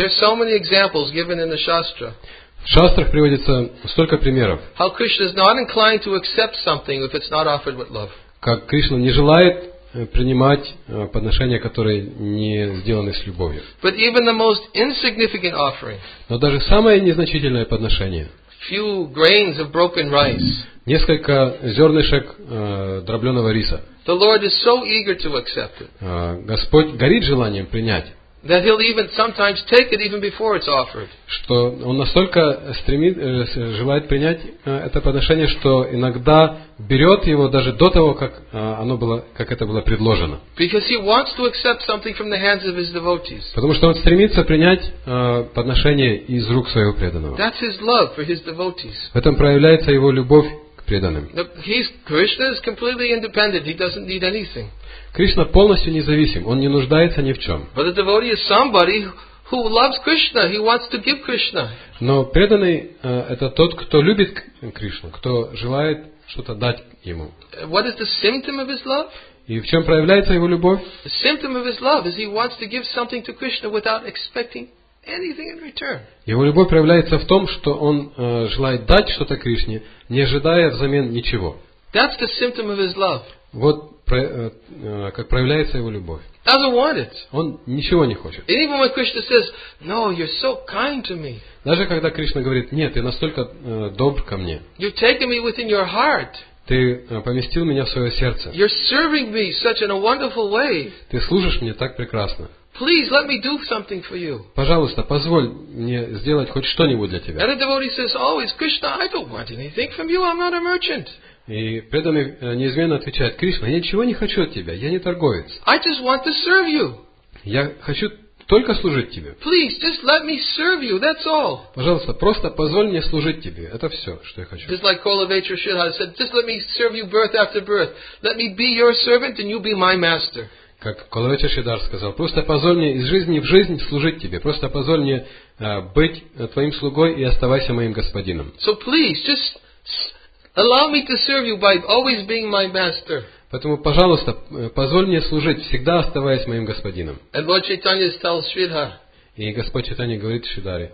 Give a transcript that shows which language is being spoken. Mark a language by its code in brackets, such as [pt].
[en] There are so many examples given in the Shastra. [ru] В шастрах приводится столько примеров. [en] How Krishna is not inclined to accept something if it's not offered with love. [ru] Как Кришна не желает принимать подношения, которые не сделаны с любовью. [en] But even the most insignificant offering, [ru] но даже самое незначительное подношение, [en] few grains of broken rice, [ru] несколько зернышек дробленого риса, [en] the Lord is so eager to accept it. [ru] Господь горит желанием принять. [en] That he'll even sometimes take it even before it's offered. [ru] Что он настолько стремит, желает принять это подношение, что иногда берет его даже до того, как оно было, как это было предложено. [en] Because he wants to accept something from the hands of his devotees. [ru] Потому что он стремится принять подношение из рук своего преданного. [en] That's his love for his devotees. [ru] В этом проявляется его любовь к преданным. [en] Krishna is completely independent. He doesn't need anything. [ru] Кришна полностью независим, он не нуждается ни в чем. [en] But the devotee is somebody who loves Krishna. He wants to give Krishna. [ru] Но преданный это тот, кто любит Кришну, кто желает что-то дать ему. [en] What is the symptom of his love? [ru] И в чем проявляется его любовь? [en] The symptom of his love is he wants to give something to Krishna without expecting anything in return. [ru] Его любовь проявляется в том, что он желает дать что-то Кришне, не ожидая взамен ничего. [en] That's the symptom of his love. [ru] Вот как проявляется его любовь. [en] Doesn't want it. [ru] Он ничего не хочет. [en] And even when Krishna says, "No, you're so kind to me." [ru] Даже когда Кришна говорит, нет, ты настолько добр ко мне. [en] You've taken me within your heart. [ru] Ты поместил меня в свое сердце. [en] You're serving me such in a wonderful way. [ru] Ты служишь мне так прекрасно. [en] Please let me do something for you. [ru] Пожалуйста, позволь мне сделать хоть что-нибудь для тебя. [en] And the devotee says, always, Krishna, I don't want anything from you. I'm not a merchant. [ru] И преданный неизменно отвечает, Кришна, я ничего не хочу от тебя, я не торговец. [en] I just want to serve you. [ru] Я хочу только служить тебе. [en] Please, just let me serve you, that's all. [ru] Пожалуйста, просто позволь мне служить тебе, это все, что я хочу. [en] Just like Kulavetra Shridhara said, just let me serve you birth after birth. Let me be your servant and you be my master. [ru] Как Кулавечер Шридар сказал, просто позволь мне из жизни в жизнь служить тебе, просто позволь мне быть твоим слугой и оставайся моим господином. [en] So please, just... Allow me to serve you by always being my master. [ru] Поэтому, пожалуйста, позволь мне служить, всегда оставаясь моим господином. [en] And Lord Chaitanya tells Shridhar. [ru] И Господь Чайтанья говорит Шридаре.